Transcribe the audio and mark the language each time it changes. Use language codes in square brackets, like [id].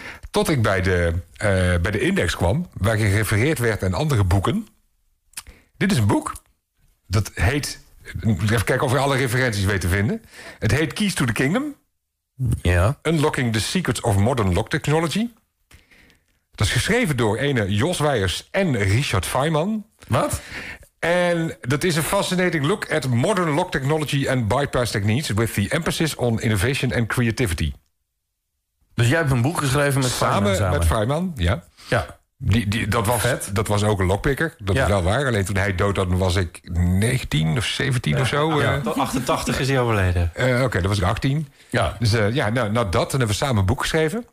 [nl] Tot ik bij de index kwam, waar gerefereerd werd aan andere boeken. Dit is een boek. Dat heet... Even kijken of je alle referenties weet te vinden. Het heet Keys to the Kingdom. Ja. [en] Unlocking the Secrets of Modern Lock Technology. [nl] Dat is geschreven door ene Jos Weijers en Richard Feynman. Wat? En dat is [en] a fascinating look at modern lock technology and bypass techniques with the emphasis on innovation and creativity. [nl] Dus jij hebt een boek geschreven met Samen met Feynman, ja. Ja. Dat was ook een lockpicker, dat is wel waar. Alleen toen hij dood had, was ik 19 of 17 of zo. Ja, 88 is hij overleden. Oké, dat was ik 18. Ja. Dus dat, dan hebben we samen een boek geschreven.